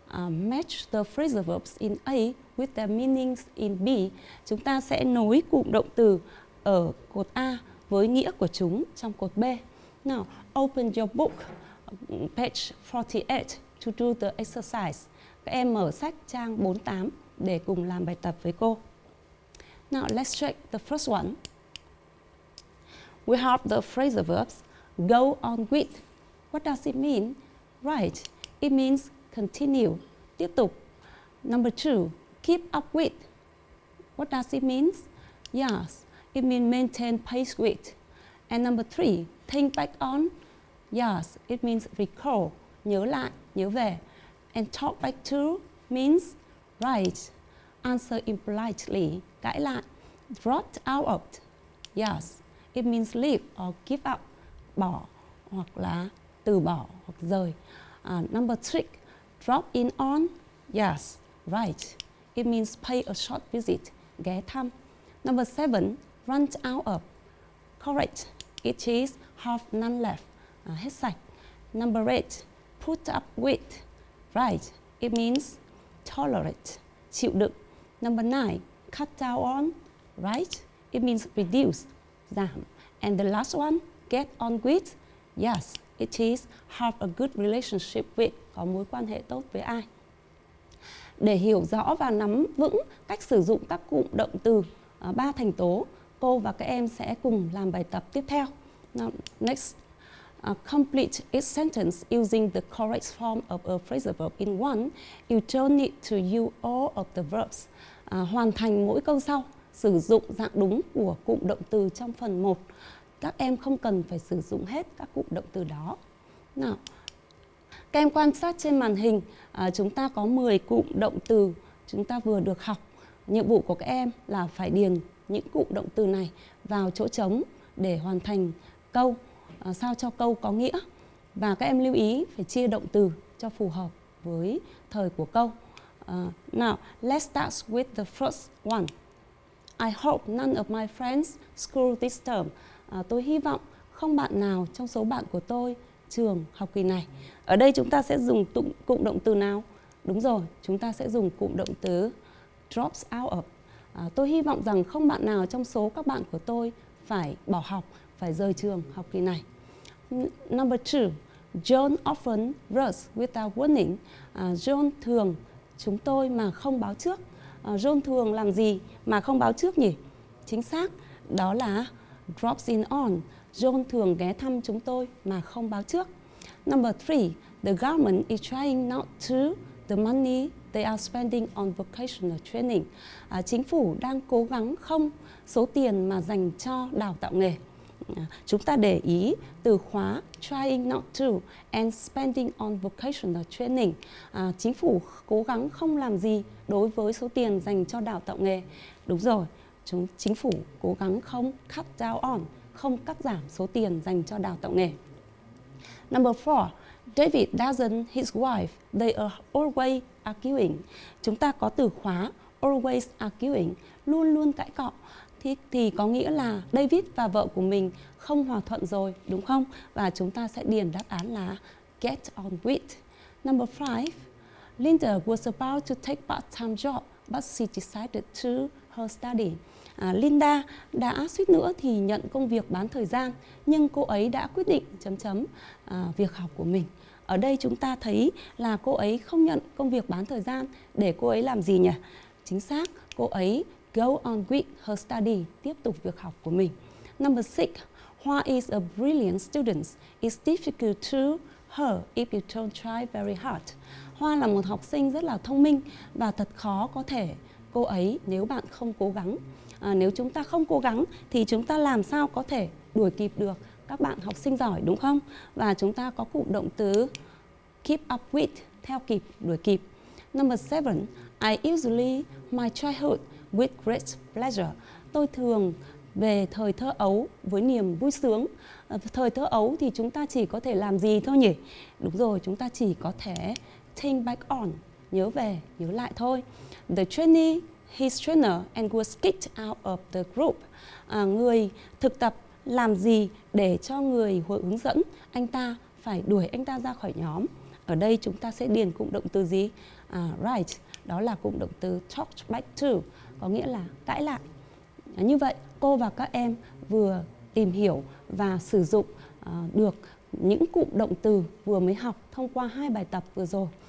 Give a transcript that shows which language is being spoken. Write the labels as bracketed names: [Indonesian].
[English] Match the phrasal verbs in A with their meanings in B. [Vietnamese] Chúng ta sẽ nối cụm động từ ở cột A với nghĩa của chúng trong cột B. [English] Now, open your book, page 48, to do the exercise. [Vietnamese] Các em mở sách trang 48 để cùng làm bài tập với cô. [English] Now, let's check the first one. We have the phrasal verbs go on with. What does it mean? Right, it means continue, [Vietnamese] tiếp tục. [English] Number two, keep up with. What does it mean? Yes, it means maintain pace with. And number three, think back on. Yes, it means recall, [Vietnamese] nhớ lại, nhớ về. [English] And talk back to means right, answer impolitely, [Vietnamese] cãi lại. [English] Dropped out of. Yes, it means leave or give up, [Vietnamese] bỏ hoặc là từ bỏ hoặc rời. [English] Number three, drop in on. Yes, right. It means pay a short visit, [Vietnamese] ghé thăm. [English] Number seven, run out of. Correct. It is have none left, [Vietnamese] hết sạch. [English] Number eight, put up with. Right. It means tolerate, [Vietnamese] chịu đựng. [English] Number nine, cut down on. Right. It means reduce, [Vietnamese] giảm. [English] And the last one, get on with. Yes. It is have a good relationship with, [Vietnamese] có mối quan hệ tốt với ai. Để hiểu rõ và nắm vững cách sử dụng các cụm động từ ba thành tố, cô và các em sẽ cùng làm bài tập tiếp theo. [English] Now, next, complete each sentence using the correct form of a phrasal verb in one. You don't need to use all of the verbs. [Vietnamese] Hoàn thành mỗi câu sau, sử dụng dạng đúng của cụm động từ trong phần 1. Các em không cần phải sử dụng hết các cụm động từ đó. Nào, các em quan sát trên màn hình, chúng ta có 10 cụm động từ chúng ta vừa được học. Nhiệm vụ của các em là phải điền những cụm động từ này vào chỗ trống để hoàn thành câu, sao cho câu có nghĩa. Và các em lưu ý phải chia động từ cho phù hợp với thời của câu. [English] Now, let's start with the first one. I hope none of my friends school this term. [Vietnamese] Tôi hy vọng không bạn nào trong số bạn của tôi trường học kỳ này. Ở đây chúng ta sẽ dùng cụm động từ nào? Đúng rồi, chúng ta sẽ dùng cụm động từ drops out of. Tôi hy vọng rằng không bạn nào trong số các bạn của tôi phải bỏ học, phải rời trường học kỳ này. [English] Number two, John often runs without warning. [Vietnamese] John thường chúng tôi mà không báo trước. John thường làm gì mà không báo trước nhỉ? Chính xác, đó là drops in on. John thường ghé thăm chúng tôi mà không báo trước. [English] Number three, the government is trying not to the money they are spending on vocational training. [Vietnamese] Chính phủ đang cố gắng không số tiền mà dành cho đào tạo nghề. chúng ta để ý từ khóa [English] trying not to and spending on vocational training. [Vietnamese] Chính phủ cố gắng không làm gì đối với số tiền dành cho đào tạo nghề. Đúng rồi, chính phủ cố gắng không cut down on, không cắt giảm số tiền dành cho đào tạo nghề. [English] Number four, David doesn't his wife. They are always arguing. [Vietnamese] Chúng ta có từ khóa [English] always arguing, [Vietnamese] luôn luôn cãi cọ. Thì có nghĩa là David và vợ của mình không hòa thuận rồi, đúng không? Và chúng ta sẽ điền đáp án là get on with. [English] Number five, Linda was about to take part-time job, but she decided to her study. [Vietnamese] Linda đã suýt nữa thì nhận công việc bán thời gian, nhưng cô ấy đã quyết định việc học của mình. Ở đây chúng ta thấy là cô ấy không nhận công việc bán thời gian để cô ấy làm gì nhỉ? Chính xác, cô ấy [English] go on with her study, [Vietnamese] tiếp tục việc học của mình. [English] Number six, Hua is a brilliant student. It's difficult to her if you don't try very hard. [Vietnamese] Hua là một học sinh rất là thông minh và thật khó có thể cô ấy nếu bạn không cố gắng. Nếu chúng ta không cố gắng thì chúng ta làm sao có thể đuổi kịp được các bạn học sinh giỏi, đúng không? Và chúng ta có cụm động từ keep up with, theo kịp, đuổi kịp. [English] Number seven, I usually my childhood with great pleasure. [Vietnamese] Tôi thường về thời thơ ấu với niềm vui sướng. Thời thơ ấu thì chúng ta chỉ có thể làm gì thôi nhỉ? Đúng rồi, chúng ta chỉ có thể think back on, nhớ về, nhớ lại thôi. [English] The trainee, his trainer, and was kicked out of the group. [Vietnamese] Người thực tập làm gì để cho người hướng dẫn anh ta phải đuổi anh ta ra khỏi nhóm? Ở đây chúng ta sẽ điền cụm động từ gì? Right, đó là cụm động từ talk back to, có nghĩa là cãi lại. Như vậy, cô và các em vừa tìm hiểu và sử dụng được những cụm động từ vừa mới học thông qua hai bài tập vừa rồi.